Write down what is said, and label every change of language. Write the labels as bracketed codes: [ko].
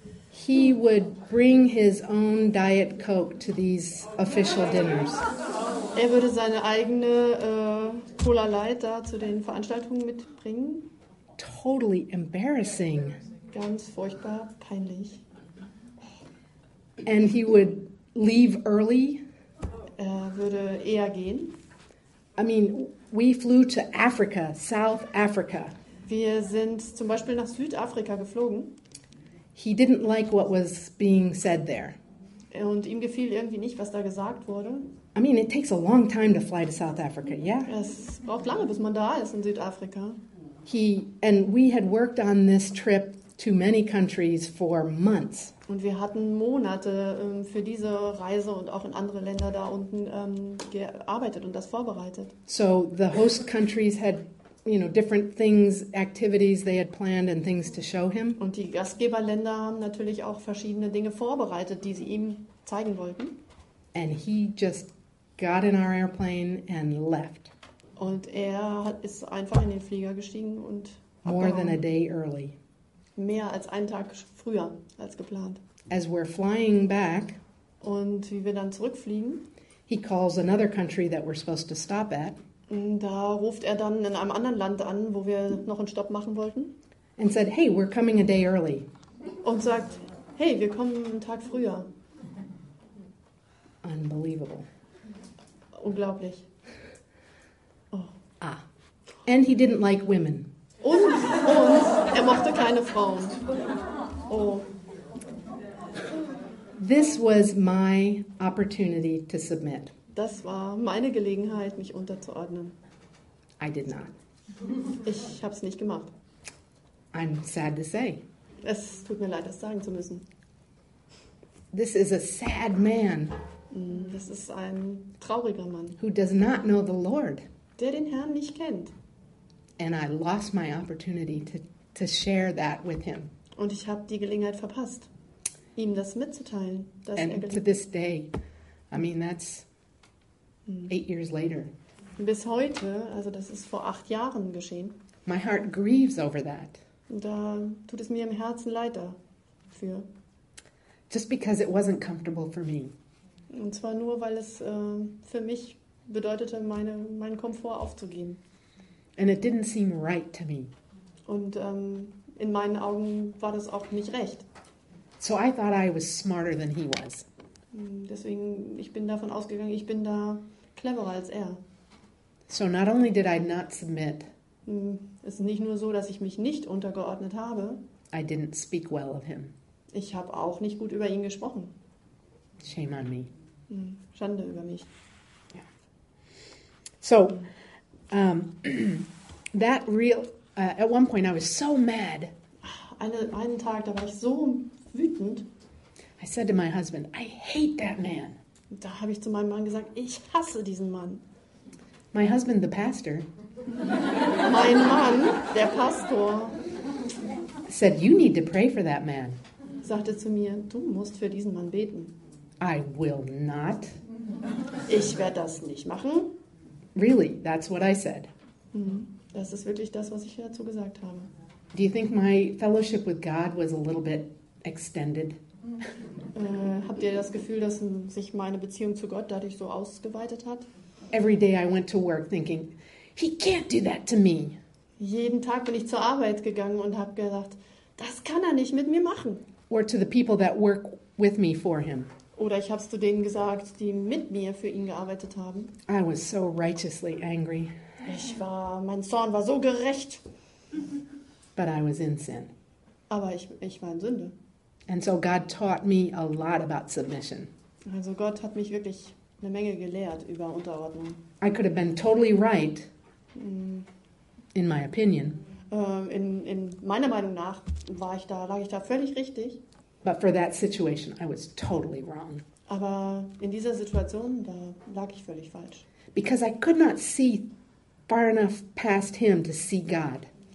[en] He would bring his own Diet Coke to these official dinners. [de] Er würde seine eigene Cola Light da zu den Veranstaltungen mitbringen. [en] Totally embarrassing. [de] Ganz furchtbar peinlich. [en] And he would leave early. [de] Er würde eher gehen. [en] I mean, we flew to Africa, South Africa. [de] Wir sind zum Beispiel nach Südafrika geflogen. [en] He didn't like what was being said there. [de] Und ihm gefiel irgendwie nicht, was da gesagt wurde. [en] I mean, it takes a long time to fly to South Africa, yeah? [de] Es braucht lange, bis man da ist in Südafrika. [en] And we had worked on this trip to many countries for months. [de] Und wir hatten Monate für diese Reise und auch in andere Länder da unten gearbeitet und das vorbereitet. [en] So the host countries had, different things, activities they had planned and things to show him. [de] Und die Gastgeberländer haben natürlich auch verschiedene Dinge vorbereitet, die sie ihm zeigen wollten. [en] And he just got in our airplane and left. [de] Und er ist einfach in den Flieger gestiegen und abgehauen. [en] More than a day early. [de] Mehr als einen Tag früher als geplant. [en] As we're flying back, [de] und wie wir dann zurückfliegen, [en] he calls another country that we're supposed to stop at. [de] Da ruft er dann in einem anderen Land an, wo wir noch einen Stopp machen wollten. [en] And said, hey, we're coming a day early. [de] Und sagt, hey, wir kommen einen Tag früher. [en] Unbelievable. [de] Unglaublich. Oh. [en] Ah. And he didn't like women. [de] Und er mochte keine Frauen. Oh. [en] This was my opportunity to submit. [de] Das war meine Gelegenheit, mich unterzuordnen. [en] I did not. [de] Ich hab's nicht gemacht. [en] I'm sad to say. [de] Es tut mir leid, das sagen zu müssen. [en] This is a sad man. [de] Das ist ein trauriger Mann. [en] Who does not know the Lord. [de] Der den Herrn nicht kennt. [en] And I lost my opportunity to share that with him. [de] Und ich habe die Gelegenheit verpasst, ihm das mitzuteilen. [en] Dass and er to this day, I mean, that's 8 years later. [de] Bis heute, also das ist vor 8 Jahren geschehen. [en] My heart grieves over that. [de] Da tut es mir im Herzen leid dafür. [en] Just because it wasn't comfortable for me. [de] Und zwar nur, weil es für mich bedeutete, meinen Komfort aufzugeben. [en] And it didn't seem right to me. [de] Und in meinen Augen war das auch nicht recht. [en] So I thought I was smarter than he was. [de] Deswegen, ich bin davon ausgegangen, ich bin da cleverer als er. [en] So not only did I not submit. [de] Es ist nicht nur so, dass ich mich nicht untergeordnet habe. [en] I didn't speak well of him. [de] Ich habe auch nicht gut über ihn gesprochen. [en] Shame on me. [de] Schande über mich. [en] Yeah. So, that real, at one point I was so mad. [de] Einen Tag, da war ich so wütend. [en] I said to my husband, I hate that man. [de] Da habe ich zu meinem Mann gesagt, ich hasse diesen Mann. [en] My husband, the pastor. [de] Mein Mann, der Pastor. [en] Said, you need to pray for that man. [de] Sagte zu mir, du musst für diesen Mann beten. [en] I will not. [de] Ich werde das nicht machen. [en] Really, that's what I said. [de] Das ist wirklich das, was ich dazu gesagt habe. [en] Do you think my fellowship with God was a little bit extended? [de] Habt ihr das Gefühl, dass sich meine Beziehung zu Gott dadurch so ausgeweitet hat? [en] Every day I went to work thinking, he can't do that to me. [de] Jeden Tag bin ich zur Arbeit gegangen und habe gedacht, das kann er nicht mit mir machen. [en] Or to the people that work with me for him. [de] Oder ich habe es zu denen gesagt, die mit mir für ihn gearbeitet haben. [en] I was so righteously angry. [de] Mein Zorn war so gerecht. [en] But I was in sin. [de] Aber ich war in Sünde. [en] And so God taught me a lot about submission. [de] Also Gott hat mich wirklich eine Menge gelehrt über Unterordnung. [en] I could have been totally right. In my opinion. [de] In meiner Meinung nach lag ich da völlig richtig. [en] But for that situation, I was totally wrong. [de] Aber in dieser Situation, da lag ich völlig falsch. [en] Because I could not see far enough past him to see God.